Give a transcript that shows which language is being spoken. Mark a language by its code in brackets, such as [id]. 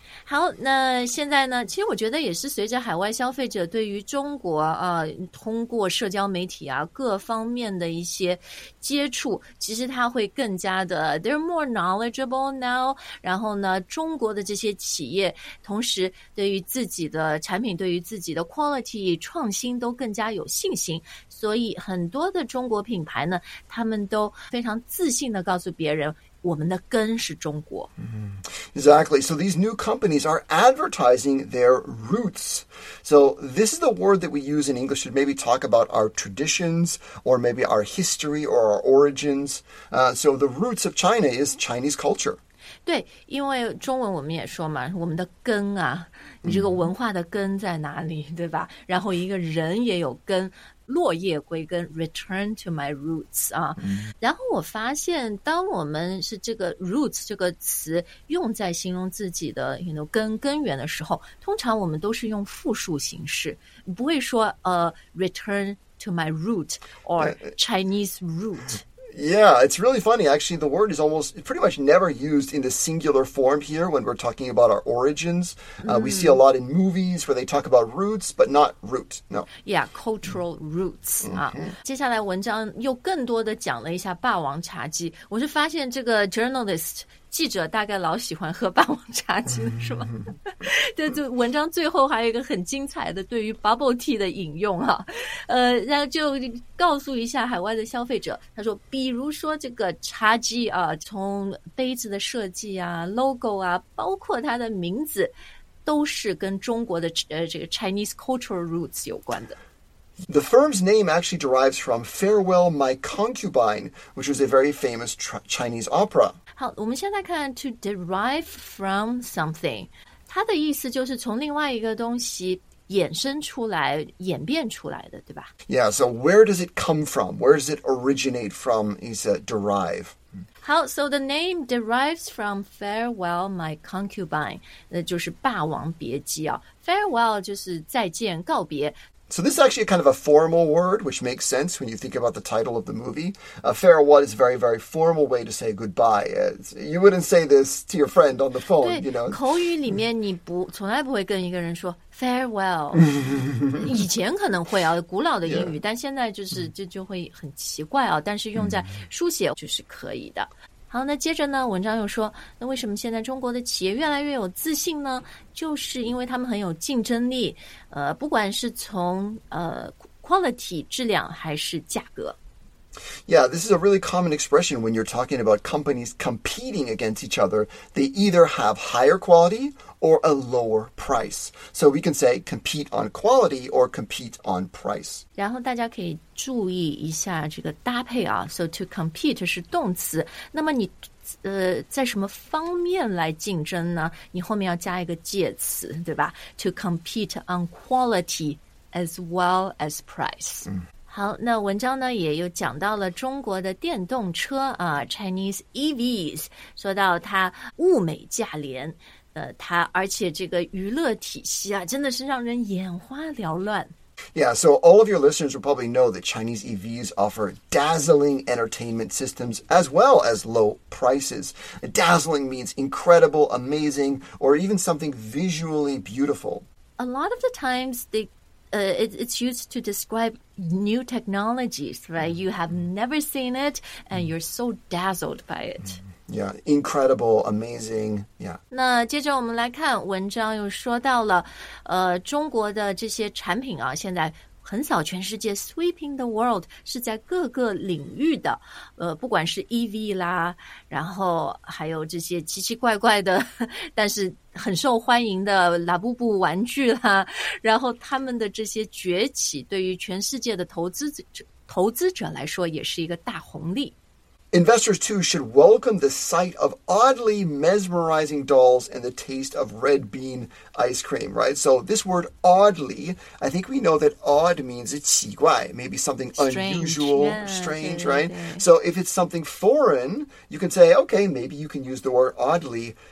[zh] 好，那现在呢，其实我觉得也是随着海外消费者对于中国通过社交媒体啊各方面的一些接触，其实他会更加的 [en] they're more knowledgeable now， [zh] 然后呢中国的这些企业同时对于自己的产品，对于自己的 quality 创新都更加有信心，所以很多的中国品牌呢，他们都非常自信的告诉别人我们的根是中国。 [en] Exactly. So these new companies are advertising their roots. So this is the word that we use in English to maybe talk about our traditions or maybe our history or our origins. So the roots of China is Chinese culture. [zh] 对，因为中文我们也说嘛，我们的根啊，你这个文化的根在哪里，对吧？然后一个人也有根，落叶归根 ， [en] return to my roots [zh] 啊。然后我发现，当我们是这个 roots 这个词用在形容自己的 you know 根源的时候，通常我们都是用复数形式，不会说 [en] return to my root or Chinese root。 Yeah, it's really funny. Actually, the word is almost pretty much never used in the singular form here when we're talking about our origins. We see a lot in movies where they talk about roots, but not root. No. Yeah, cultural roots. [zh] 接下来文章又更多的讲了一下霸王茶姬。我是发现这个 journalist 记者大概老喜欢喝霸王茶姬了，是吗？对，就文章最后还有一个很精彩的对于 bubble tea 的引用啊，然后就告诉一下海外的消费者，他说，比如说这个茶姬啊，从杯子的设计啊、logo 啊，包括它的名字，都是跟中国的这个 [en] Chinese cultural roots [zh] 有关的。 [en] The firm's name actually derives from Farewell, My Concubine, which was a very famous Chinese opera. [zh] 好，我们现在看 [en] to derive from something. [zh] 它的意思就是从另外一个东西衍生出来，演变出来的，对吧？ [en] Yeah, so where does it come from? Where does it originate from? Is it derive? 好， so the name derives from Farewell, My Concubine. [zh] 那就是霸王别姬啊。Farewell 就是再见，告别。 [en] So this is actually kind of a formal word, which makes sense when you think about the title of the movie. Farewell is a very, very formal way to say goodbye. You wouldn't say this to your friend on the phone, you know. [zh] 口语里面你不从来不会跟一个人说 farewell. 以前可能会啊，古老的英语，但现在就是就会很奇怪啊。但是用在书写就是可以的。好，那接着呢，文章又说，那为什么现在中国的企业越来越有自信呢？就是因为他们很有竞争力，不管是从quality 质量还是价格。 [en] Yeah, this is a really common expression when you're talking about companies competing against each other. They either have higher quality or a lower price. So we can say compete on quality or compete on price. [zh] 然后大家可以注意一下这个搭配啊。 [en] So to compete [zh] 是动词。那么你在什么方面来竞争呢？你后面要加一个介词，对吧？ [en] To compete on quality as well as price. [zh] 好，那文章呢也又讲到了中国的电动车啊 ，Chinese EVs， 说到它物美价廉，它而且这个娱乐体系啊，真的是让人眼花缭乱。 [en] Yeah, so all of your listeners will probably know that Chinese EVs offer dazzling entertainment systems as well as low prices. Dazzling means incredible, amazing, or even something visually beautiful. A lot of the times it's used to describe new technologies, right? You have never seen it, and you're so dazzled by it. Yeah, incredible, amazing, yeah. 那接着我们来看文章又说到了中国的这些产品啊，现在横扫全世界 sweeping the world, 是在各个领域的不管是 EV 啦，然后还有这些奇奇怪怪的但是很受欢迎的拉布布玩具啦，然后他们的这些崛起对于全世界的投资者来说也是一个大红利。 Investors, too, should welcome the sight of oddly mesmerizing dolls and the taste of red bean ice cream, right? So this word oddly, I think we know that odd means it's [zh] 奇怪, [en] maybe something unusual, strange, right? So if it's something foreign, you can say, okay, maybe you can use the word oddly.